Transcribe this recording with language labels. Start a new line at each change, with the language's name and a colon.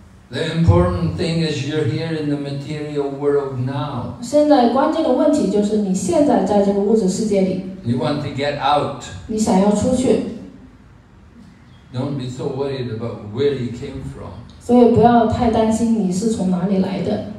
English: The important thing is you're here in the material world now.
Chinese: 现在关键的问题就是你现在在这个物质世界里。
English: You want to get out.
Chinese: 你想要出去。
English: Don't be so worried about where you came from.
Chinese: 所以不要太担心你是从哪里来的。